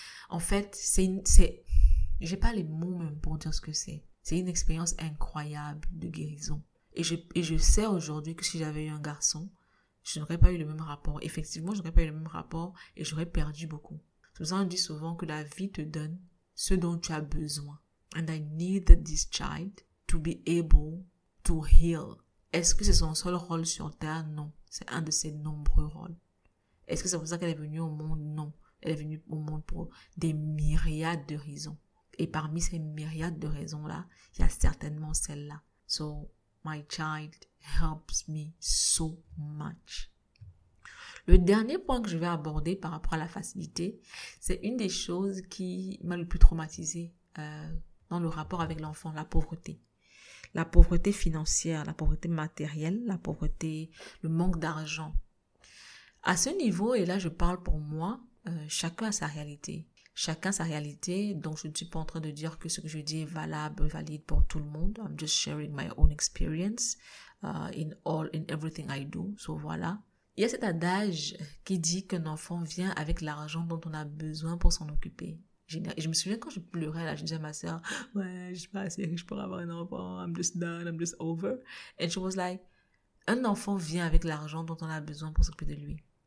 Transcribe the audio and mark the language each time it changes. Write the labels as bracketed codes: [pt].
[fr] En fait, j'ai pas les mots même pour dire ce que c'est. C'est une expérience incroyable de guérison. Et je sais aujourd'hui que si j'avais eu un garçon, je n'aurais pas eu le même rapport. Effectivement, je n'aurais pas eu le même rapport et j'aurais perdu beaucoup. C'est pour ça qu'on dit souvent que la vie te donne ce dont tu as besoin. [en] And I need this child to be able to heal. [fr] Est-ce que c'est son seul rôle sur Terre? Non. C'est un de ses nombreux rôles. Est-ce que c'est pour ça qu'elle est venue au monde? Non. Elle est venue au monde pour des myriades de raisons. Et parmi ces myriades de raisons-là, il y a certainement celle-là. [en] So, my child helps me so much. [fr] Le dernier point que je vais aborder par rapport à la facilité, c'est une des choses qui m'a le plus traumatisée dans le rapport avec l'enfant, la pauvreté. La pauvreté financière, la pauvreté matérielle, la pauvreté, le manque d'argent. À ce niveau, et là je parle pour moi, chacun a sa réalité. Chacun sa réalité, donc je ne suis pas en train de dire que ce que je dis est valable, valide pour tout le monde. [en] I'm just sharing my own experience in everything I do. [fr] So voilà. Il y a cet adage qui dit qu'un enfant vient avec l'argent dont on a besoin pour s'en occuper. Et je me souviens quand je pleurais là, je disais à ma sœur, ouais, je suis pas assez riche pour avoir un enfant, [en] I'm just done, I'm just over. And she was like, [fr] un enfant vient avec l'argent dont on a besoin pour s'occuper de lui.